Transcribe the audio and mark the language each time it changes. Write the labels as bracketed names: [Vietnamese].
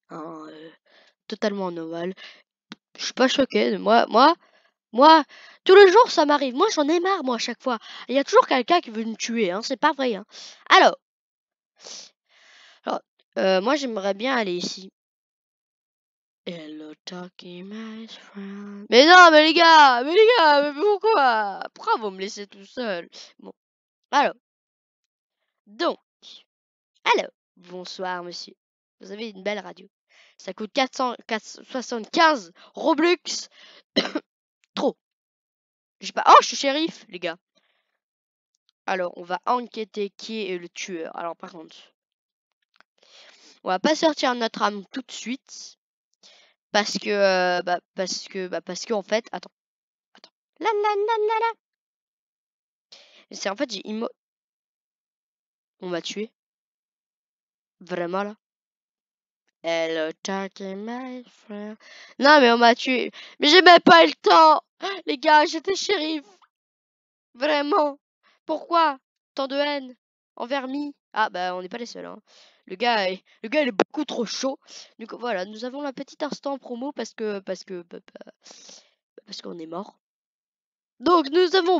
[French] Hein, totalement normal. Je suis pas choqué. Moi, tous les jours, ça m'arrive. Moi, j'en ai marre, moi, à chaque fois. Il y a toujours quelqu'un qui veut me tuer. Hein, c'est pas vrai. Hein. Alors. Moi j'aimerais bien aller ici. [English] Hello, talking, my friend. [French] Mais non, mais les gars, mais pourquoi? Pourquoi vous me laissez tout seul? Bon, alors. Donc, alors, bonsoir monsieur. Vous avez une belle radio. Ça coûte 475 Robux. Trop. J'ai pas. Oh, je suis shérif, les gars. Alors, on va enquêter qui est le tueur. Alors, par contre. On va pas sortir notre arme tout de suite. Parce que en fait. Attends. Attends. La la la la la. C'est en fait, j'ai immo. On m'a tué. Vraiment là. [English] Hello, talking, my friend. [French] Non, mais on m'a tué. Mais j'ai même pas eu le temps. Les gars, j'étais shérif. Vraiment. Pourquoi tant de haine envers moi? Ah, bah, on n'est pas les seuls, hein. Le gars, il est beaucoup trop chaud. Donc voilà, nous avons un petit instant promo parce que, parce qu'on est mort. Donc, nous avons.